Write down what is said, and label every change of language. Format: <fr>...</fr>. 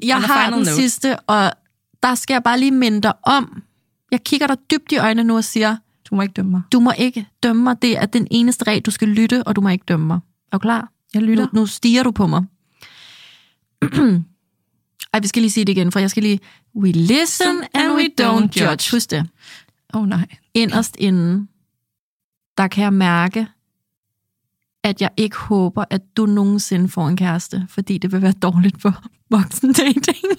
<da>Jeg har den sidste, og der skal jeg bare lige minde dig om. Jeg kigger dig dybt i øjnene nu og siger, du må ikke dømme mig. Du må ikke dømme mig. Det er den eneste regel, du skal lytte, og du må ikke dømme mig. Er du klar? Jeg lytter. Nu stiger du på mig. Ej, vi skal lige sige det igen, for jeg skal lige...</da> <en>We listen and we don't judge.</en> <da>Husk det. Oh nej. Inderst inden, der kan jeg mærke, at jeg ikke håber, at du nogensinde får en kæreste, fordi det vil være dårligt for voksen dating.</da>